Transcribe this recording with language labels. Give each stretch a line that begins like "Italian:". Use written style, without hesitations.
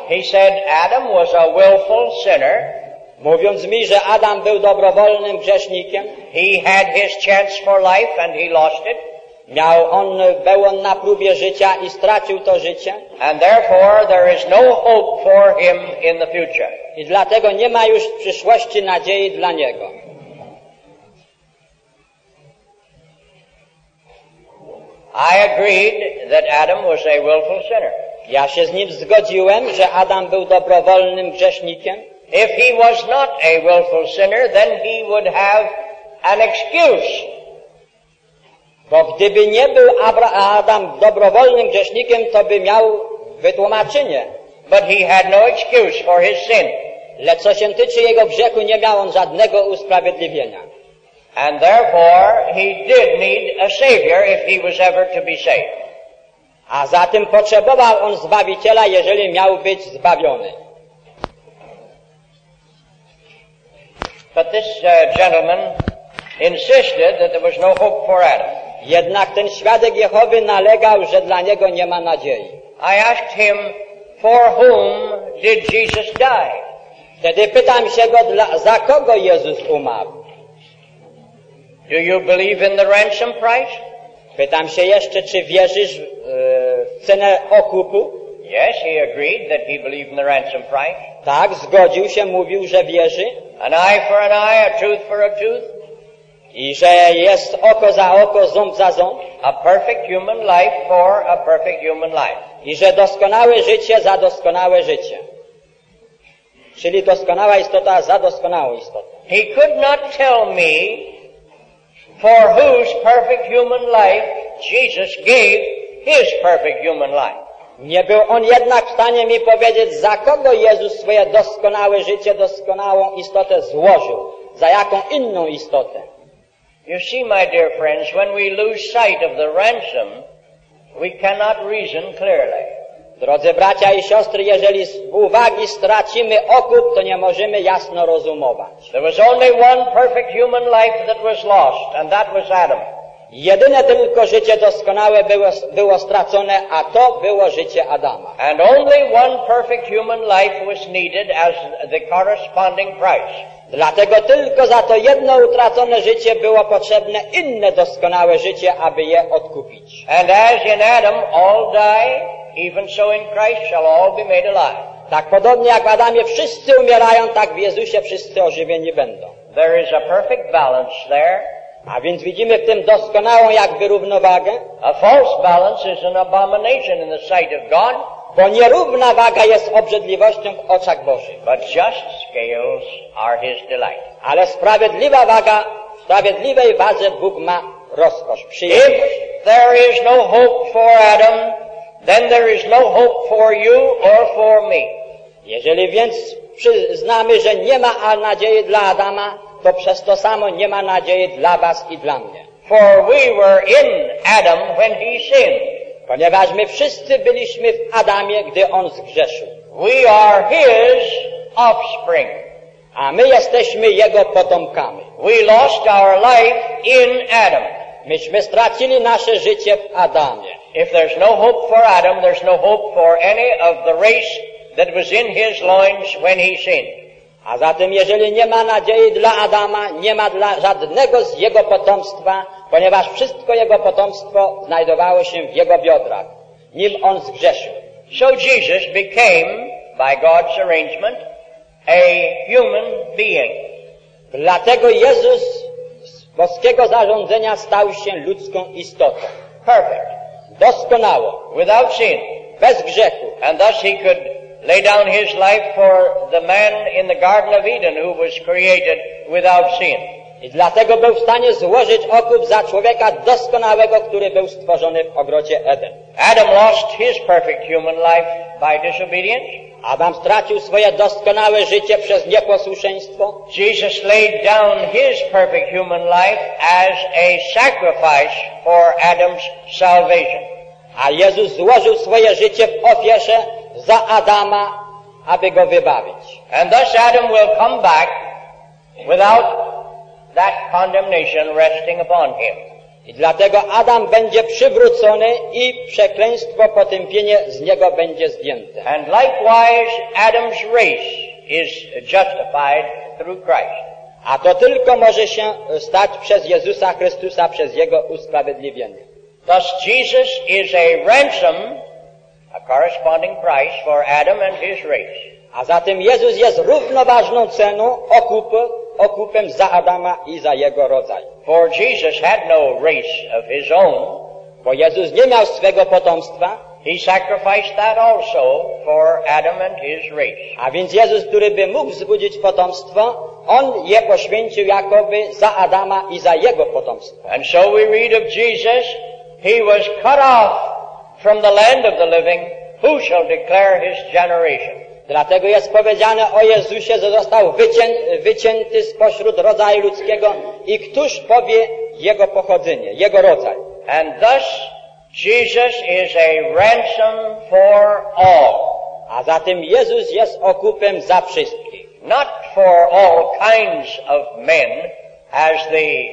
English: He said Adam was a willful sinner.
Polish: Mówiąc mi, że Adam był dobrowolnym grzesznikiem.
English: He had his chance for life and he lost it.
Polish: Był on na próbie życia i stracił to życie.
English: And therefore there is no hope for him in the future.
Polish: I dlatego nie ma już w przyszłości nadziei dla niego.
English: I agreed that Adam was a willful sinner.
Polish: Ja się z nim zgodziłem, że Adam był dobrowolnym grzesznikiem.
English: If he was not a willful sinner, then he would have an excuse.
Polish: Bo gdyby nie był Adam dobrowolnym grzesznikiem, to by miał wytłumaczenie.
English: But he had no excuse for his sin.
Polish: Lecz co się tyczy jego grzechu, nie miał on żadnego usprawiedliwienia.
English: And therefore he did need a savior if he was ever to be saved.
Polish: A zatem potrzebował on zbawiciela, jeżeli miał być zbawiony.
English: But this gentleman insisted that there was no hope for Adam.
Polish: Jednak ten świadek Jehowy nalegał, że dla niego nie ma nadziei.
English: I asked him, for whom did Jesus die?
Polish: Wtedy pytam się go, za kogo Jezus umarł?
English: Do you believe in the ransom price?
Polish: Pytam się jeszcze, czy wierzysz w cenę okupu?
English: Yes, he agreed that he believed in the ransom price.
Polish: Tak, zgodził się, mówił, że wierzy.
English: An eye for an eye, a tooth for a tooth.
Polish: I że jest oko za oko, ząb za ząb.
English: A perfect human life for a perfect human life.
Polish: I że doskonałe życie za doskonałe życie. Czyli doskonała istota za doskonałą istotę.
English: He could not tell me for whose perfect human life Jesus gave his perfect human life.
Polish: Nie był on jednak w stanie mi powiedzieć, za kogo Jezus swoje doskonałe życie, doskonałą istotę złożył. Za jaką inną istotę.
English: You see, my dear friends, when we lose sight of the ransom, we cannot reason clearly.
Polish: Drodzy bracia i siostry, jeżeli z uwagi stracimy okup, to nie możemy jasno rozumować.
English: There was only one perfect human life that was lost, and that was Adam.
Polish: Jedyne tylko życie doskonałe było stracone, a to było życie Adama.
English: And only one perfect human life was needed as the corresponding price.
Polish: Dlatego tylko za to jedno utracone życie było potrzebne inne doskonałe życie, aby je odkupić.
English: And as in Adam all die, even so in Christ shall all be made alive.
Polish: Tak podobnie jak w Adamie wszyscy umierają, tak w Jezusie wszyscy ożywieni będą.
English: There is a perfect balance there.
Polish: A więc widzimy w tym doskonałą jakby równowagę.
English: A false balance is an abomination in the sight of God.
Polish: Bo nierówna waga jest obrzydliwością w oczach Bożych.
English: But just scales are his delight.
Polish: Ale sprawiedliwa waga, w sprawiedliwej wadze Bóg ma rozkosz, przyjemność.
English: If there is no hope for Adam, then there is no hope for you or for me.
Polish: Jeżeli więc przyznamy, że nie ma nadziei dla Adama, to przez to samo nie ma nadziei dla was i dla mnie.
English: For we were in Adam when he sinned.
Polish: Ponieważ my wszyscy byliśmy w Adamie, gdy on zgrzeszył.
English: We are his offspring.
Polish: A my jesteśmy jego potomkami.
English: We lost our life in Adam.
Polish: Myśmy stracili nasze życie w Adamie.
English: If there's no hope for Adam, there's no hope for any of the race that was in his loins when he sinned.
Polish: A zatem, jeżeli nie ma nadziei dla Adama, nie ma dla żadnego z jego potomstwa, ponieważ wszystko jego potomstwo znajdowało się w jego biodrach, nim on zgrzeszył.
English: So Jesus became, by God's arrangement, a human being.
Polish: Dlatego Jezus z boskiego zarządzenia stał się ludzką istotą.
English: Perfect.
Polish: Doskonało.
English: Without sin.
Polish: Bez grzechu.
English: And thus he could lay down his life for the man in the Garden of Eden who was created without sin.
Polish: I dlatego był w stanie złożyć okup za człowieka doskonałego, który był stworzony w ogrodzie Eden.
English: Adam lost his perfect human life by disobedience.
Polish: Adam stracił swoje doskonałe życie przez nieposłuszeństwo.
English: Jesus laid down his perfect human life as a sacrifice for Adam's salvation.
Polish: A Jezus złożył swoje życie w ofierze za Adama, aby go wybawić.
English: And thus Adam will come back without that condemnation resting upon him.
Polish: I dlatego Adam będzie przywrócony i przekleństwo, potępienie z niego będzie zdjęte.
English: And likewise Adam's race is justified through Christ.
Polish: A to tylko może się stać przez Jezusa Chrystusa, przez jego usprawiedliwienie.
English: Thus Jesus is a ransom, a corresponding price for Adam and his race.
Polish: A zatem Jezus jest równoważną ceną, okupem za Adama i za jego rodzaj.
English: For Jesus had no race of his own.
Polish: Bo Jezus nie miał swego potomstwa.
English: He sacrificed that also for Adam and his race.
Polish: A więc Jezus, który by mógł wzbudzić potomstwo, on je poświęcił jakoby za Adama i za jego potomstwo.
English: And so we read of Jesus, he was cut off from the land of the living, who shall declare his generation?
Polish: Dlatego jest powiedziane o Jezusie, że został wycięty spośród rodzaju ludzkiego i któż powie jego pochodzenie, jego rodzaj?
English: And thus Jesus is a ransom for all.
Polish: A zatem Jezus jest okupem za wszystkich.
English: Not for all kinds of men, as the